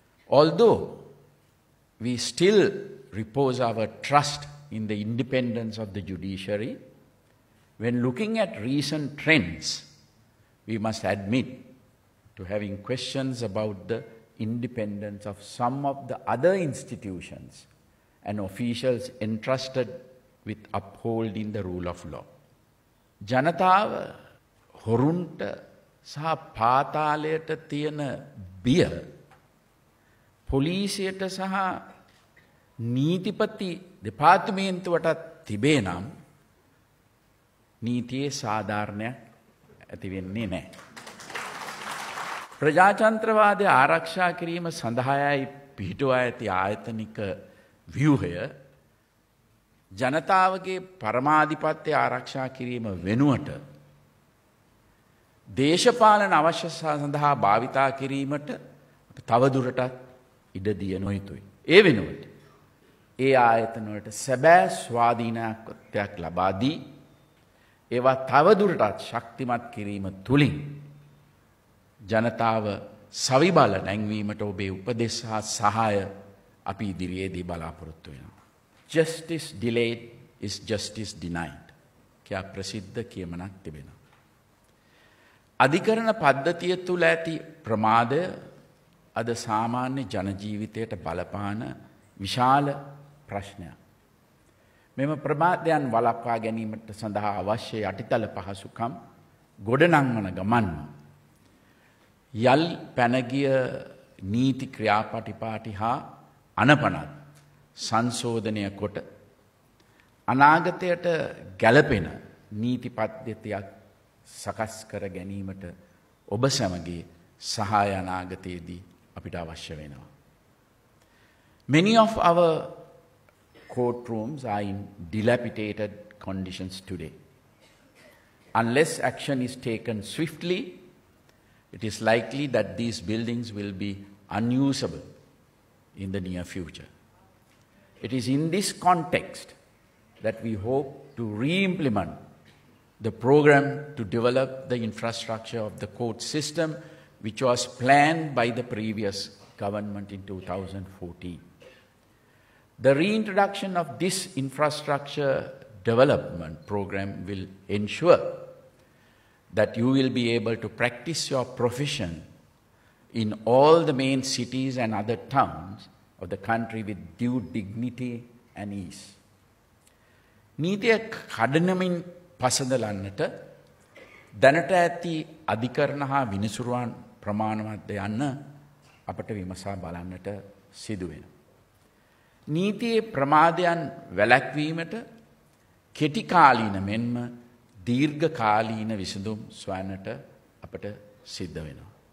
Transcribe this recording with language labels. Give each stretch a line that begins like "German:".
English: Although we still repose our trust in the independence of the judiciary, when looking at recent trends, we must admit to having questions about the independence of some of the other institutions and officials entrusted with upholding the rule of law.
Sinhala: ජනතාව හොරුන්ට සහ පාතාලයට තියෙන බිය පොලිසියට සහ නීතිපති දෙපාර්තමේන්තුවටත් තිබේ නම් නීතියේ සාධාරණයක් ඇති වෙන්නේ නැහැ. ප්‍රජාතන්ත්‍රවාදය ආරක්ෂා කිරීම සඳහායි පිහිටුවා ඇති ආයතනික ව්‍යුහය ජනතාවගේ පරමාධිපත්‍ය ආරක්ෂා කිරීම වෙනුවට දේශපාලන අවශ්‍යතා සඳහා භාවිතා කිරීමට තවදුරටත් ඉඩ දිය නොහිතුයි. ඒ වෙනුවට ඒ ආයතනවලට සැබෑ ස්වාධීනත්වයක් ලබා දී ඒවා තවදුරටත් ශක්තිමත් කිරීම තුළින් ජනතාව සවිබල නැංවීමට ඔබේ උපදෙස් හා සහාය අපි ඉදිරියේදී බලාපොරොත්තු වෙනවා.
English: Justice delayed is justice denied
Sinhala: කියා ප්‍රසිද්ධ කියමනක් තිබෙනවා. අධිකරණ පද්ධතිය තුළ ඇති ප්‍රමාදය අද සාමාන්‍ය ජන ජීවිතයට බලපාන විශාල ප්‍රශ්නයක්. මෙම ප්‍රමාදයන් වළක්වා ගැනීමට සඳහා අවශ්‍ය යටිතල පහසුකම් ගොඩනංවන ගමන්ම යල් පැනගිය නීති ක්‍රියාපටිපාටි හා අනපනත් සංශෝධනය කොට අනාගතයට ගැලපෙන නීති පද්ධතියක් සකස් කර ගැනීමට ඔබ සැමගේ සහාය අනාගතයේදී අපිට අවශ්‍ය වෙනවා.
English: Many of our courtrooms are in dilapidated conditions today. Unless action is taken swiftly, it is likely that these buildings will be unusable in the near future. It is in this context that we hope to re-implement the program to develop the infrastructure of the court system which was planned by the previous government in 2014. The reintroduction of this infrastructure development program will ensure that you will be able to practice your profession in all the main cities and other towns of the country with due dignity and ease.
Sinhala: නීතිය කඩනමින් පසඳලන්නට දැනට ඇති අධිකරණ හා විනිසුරුවන් ප්‍රමාණවත්ද යන්න අපට විමසා බලන්නට සිදුවෙන. නීතියේ ප්‍රමාදයන් වැළැක්වීමට කෙටි කාලීන මෙන්ම දීර්ඝ කාලීන විසඳුම් සොයන්නට අපට සිද්ධ වෙනවා.